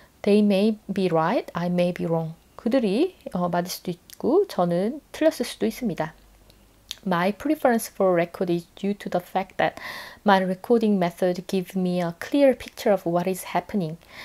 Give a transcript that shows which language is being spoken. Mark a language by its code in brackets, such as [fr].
[en] They may be right, I may be wrong. [ko] 그들이 맞을 수도 있고 저는 틀렸을 수도 있습니다. [en] My preference for record is due to the fact that my recording method gives me a clear picture of what is happening.